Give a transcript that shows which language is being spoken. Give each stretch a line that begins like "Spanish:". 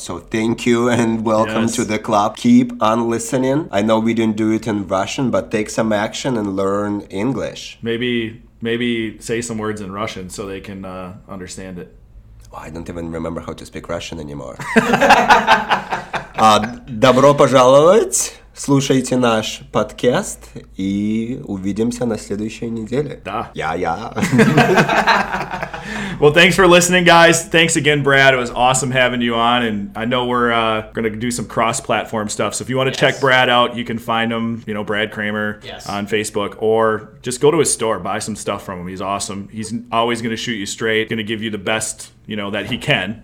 English: So thank you and welcome to the club. Keep on listening. I know we didn't do it in Russian, but take some action and learn English. Maybe say some words in Russian so they can understand it. Oh, I don't even remember how to speak Russian anymore.
Russian: добро пожаловать, слушайте наш подкаст, и увидимся на следующей неделе. Да.
English: Yeah. Well, thanks for listening, guys. Thanks again, Brad. It was awesome having you on, and I know we're going to do some cross-platform stuff, so if you want to check Brad out, you can find him, you know, Brad Kramer on Facebook, or just go to his store, buy some stuff from him. He's awesome. He's always going to shoot you straight, going to give you the best... You know, that he can.